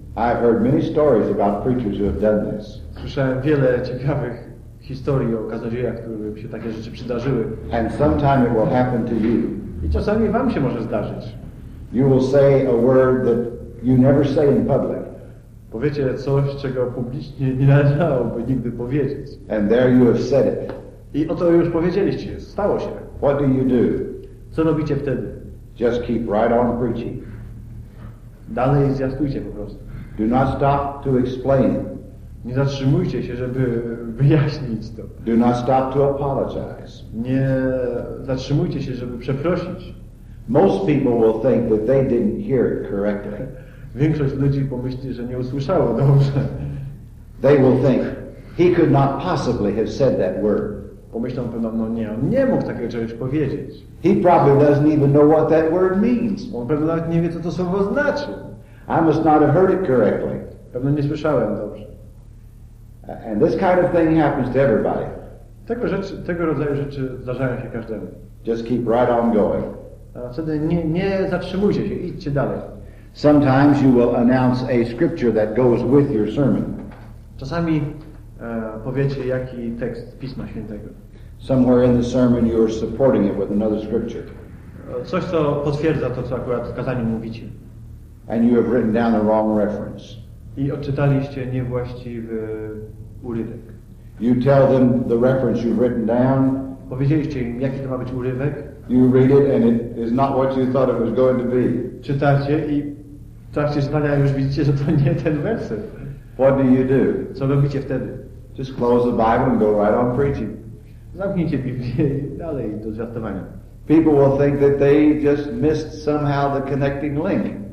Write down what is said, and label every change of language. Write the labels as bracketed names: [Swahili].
[English] I've heard many stories about preachers who have done this. [Polish] Słyszałem wiele ciekawych historii o kaznodziejach, którym się takie rzeczy przydarzyły. [English] And sometime it will happen to you. [Polish] I czasami wam się może zdarzyć. [English] You will say a word that you never say in public. [Polish] Powiecie coś, czego publicznie nie należałoby nigdy powiedzieć. [English] And there you have said it. [Polish] I oto już powiedzieliście, stało się. [English] What do you do? [Polish] Co robicie wtedy? [English] Just keep right on preaching. [Polish] Dalej zjastujcie po prostu. [English] Do not stop to explain. [Polish] Nie zatrzymujcie się, żeby wyjaśnić to. [English] Do not stop to apologize. [Polish] Nie zatrzymujcie się, żeby przeprosić. [English] Most people will think that they didn't hear it correctly. [Polish] Większość ludzi pomyśli, że nie usłyszało dobrze. [English] They will think he could not possibly have said that word. [Polish] Pomyślą pewno, no nie, on nie mógł takiego czegoś powiedzieć. [English] He probably doesn't even know what that word means. [Polish] On pewno nawet nie wie, co to słowo znaczy. [English] I must not have heard it correctly. [Polish] Pewno nie słyszałem dobrze. [English] And this kind of thing happens to everybody. [Polish] Tego rodzaju rzeczy zdarzają się każdemu. [English] Just keep right on going. [Polish] A wtedy nie zatrzymujcie się, idźcie dalej. [English] Sometimes you will announce a scripture that goes with your sermon. [Polish] Czasami powiecie, jaki tekst Pisma Świętego. [English] Somewhere in the sermon you are supporting it with another scripture. [Polish] Coś, co potwierdza to, co akurat w kazaniu mówicie. [English] And you have written down the wrong reference. [Polish] I odczytaliście niewłaściwy urywek. [English] You tell them the reference you've written down. [Polish] Powiedzieliście im, jaki to ma być urywek. [English] You read it and it is not what you thought it was going to be. [Polish] Czytacie i w trakcie czytania już widzicie, że to nie ten werset. [English] What do you do? [Polish] Co robicie wtedy? [English] Just close the Bible and go right on preaching. [Polish] Zamknijcie Biblię i dalej do zwiastowania. [English] People will think that they just missed somehow the connecting link.